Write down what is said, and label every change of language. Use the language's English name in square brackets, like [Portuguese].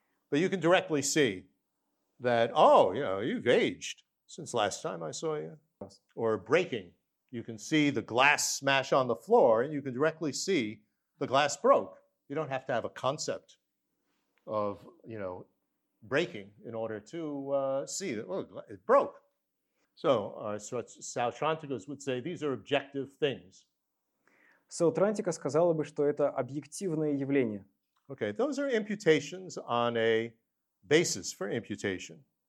[English] But you can directly see that, oh, you know, you've aged since last time I saw you. Or breaking. You can see the glass smash on the floor and you can directly see the glass broke. You don't have to have a concept of, you know, breaking in order to see that, well, it broke. So, Саутрантикус would say these are objective things. [Russian] Саутрантика сказала бы, что это объективное явление. [English] Okay, those are imputations on a basis for imputation.